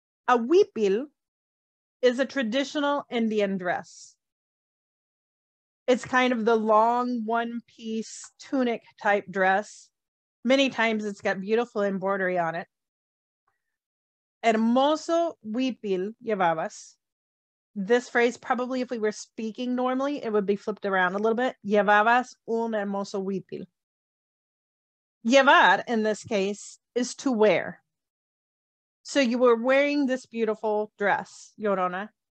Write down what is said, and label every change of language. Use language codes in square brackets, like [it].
[en] A huipil is a traditional Indian dress. It's kind of the long one-piece tunic type dress. Many times it's got beautiful embroidery on it. [es] Hermoso huipil llevabas. [en] This phrase, probably if we were speaking normally, it would be flipped around a little bit. [es] Llevabas un hermoso huipil. [en] Llevar, in this case, is to wear. So you were wearing this beautiful dress, llorona.